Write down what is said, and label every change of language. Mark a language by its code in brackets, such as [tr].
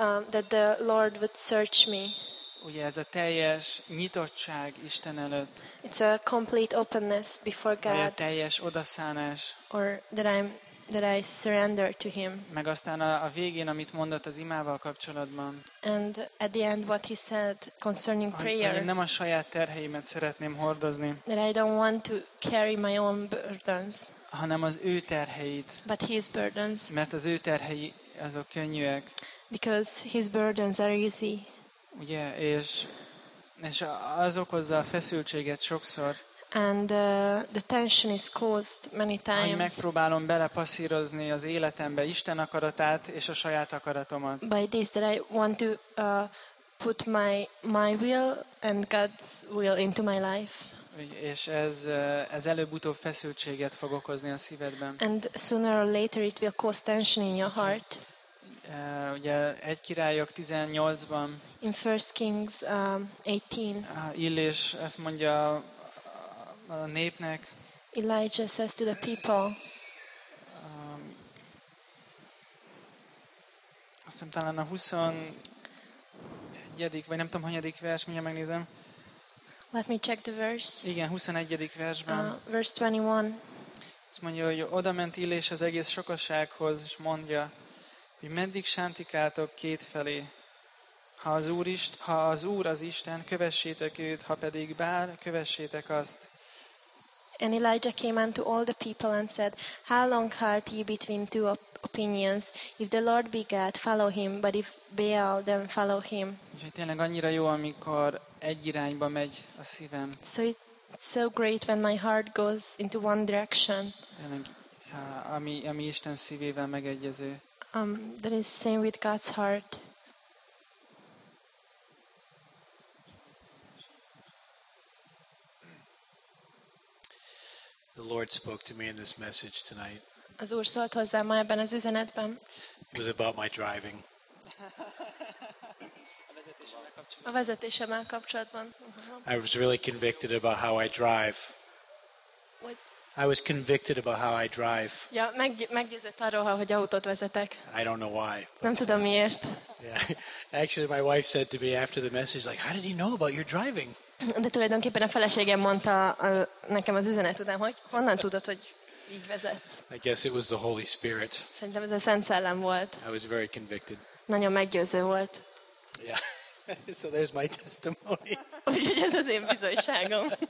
[en] That the Lord would search me. [hu] Ugye ez a teljes nyitottság Isten előtt. [en] It's a complete openness before God. [hu] A teljes odaszánás. [en] Or that I surrender to Him. [hu] Meg aztán a végén, amit mondott az imával kapcsolatban. [en] And at the end, what He said concerning prayer. [hu] Hogy nem a saját terheimet szeretném hordozni. [en] That I don't want to carry my own burdens. [hu] Hanem az ő terheit. [en] But His burdens. [hu] Mert az ő terhei azok könnyűek. [en] Because His burdens are easy. [hu] Ugye, és az okozza a feszültséget sokszor. [en] And the tension is caused many times. [hu] Hogy megpróbálom belepasszírozni az életembe Isten akaratát és a saját akaratomat. [en] By this that I want to put my will and God's will into my life. [hu] És ez előbb-utóbb feszültséget fog okozni a szívedben. [en] And sooner or later it will cause tension in your heart. [hu] Ugye 1 Királyok 18-ban [en] in 1 Kings 18 [hu] Illés ezt mondja a népnek. [en] Elijah says to the people. [hu] Azt hiszem talán a 21. vagy nem tudom hanyadik vers, mindjárt megnézem. [en] Let me check the verse. [hu] Igen, 21. versben. [en] Verse 21. [hu] Azt mondja, hogy oda ment Illés az egész sokassághoz, és mondja, hogy meddig sántikáltok két felé? Ha az Úr az Isten, kövessétek őt, ha pedig Bál, kövessétek azt. [en] And Elijah came unto all the people and said, How long halt ye between two opinions? If the Lord be God, follow him, but if Baal, then follow him. [hu] Úgyhogy tényleg annyira jó, amikor egy irányba megy a szívem. [en] So it's so great when my heart goes into one direction. [hu] Tényleg, ami Isten szívével megegyező. [en] That is same with God's heart. The Lord spoke to me in this message tonight. [hu] Az Úr szólt hozzám ma ebben az üzenetben. [en] It was about my driving. [hu] A vezetésemmel kapcsolatban. [en] I was really convicted about how I drive. I was convicted about how I drive. [hu] Ja, meggyőzött arról, hogy autót vezetek. [en] I don't know why. [hu] Nem tudom miért. [en] Yeah. Actually, my wife said to me after the message, like, how did he know about your driving? [hu] De tulajdonképpen a feleségem mondta nekem az üzenet után, hogy honnan tudod, hogy így vezetsz. [en] I guess it was the Holy Spirit. [hu] Szerintem ez a Szent Szellem volt. [en] I was very convicted. [hu] Nagyon meggyőző volt. [en] Yeah. So there's my testimony. [hu] Úgyhogy ez az én bizonyságom.